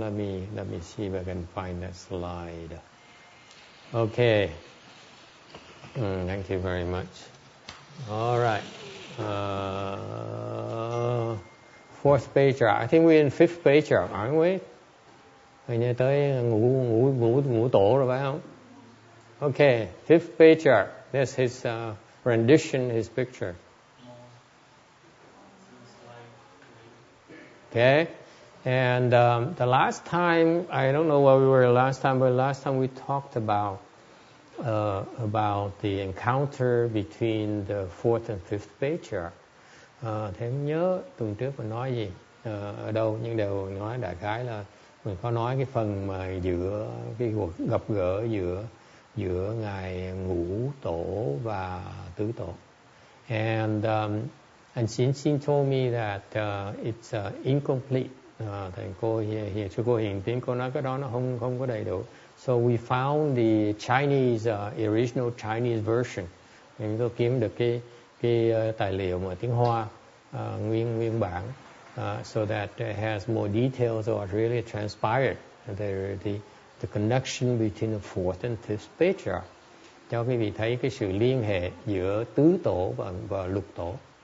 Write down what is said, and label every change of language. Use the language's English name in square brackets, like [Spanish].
[English] Let me see if I can find that slide. Okay. Thank you very much. All right. Fourth patriarch. I think we're in fifth patriarch, aren't we? [Vietnamese] Anh nhớ tới ngũ tổ rồi phải không? [English] Okay, fifth patriarch. That's his rendition, his picture. Okay. And the last time, I don't know where we were last time, but last time we talked about the encounter between the fourth and fifth patriarch. [Vietnamese] Thế mình nhớ tuần trước mình nói gì ở đâu, nhưng đều nói đại khái là mình có nói cái phần mà giữa cái cuộc gặp gỡ giữa ngài ngũ tổ và tứ tổ. [English] And Xin Xin told me that it's incomplete. [Vietnamese] Thầy cô hiện chưa có hiện tiếng, cô nói cái đó nó không có đầy đủ. [English] So we found the Chinese original Chinese version. [Vietnamese] Mình có kiếm được cái tài liệu mà tiếng Hoa nguyên bản, [English] so that it has more details of what really transpired, the connection between the fourth and fifth patriarch, [Vietnamese] cho quý vị thấy cái sự liên hệ giữa tứ tổ và lục tổ.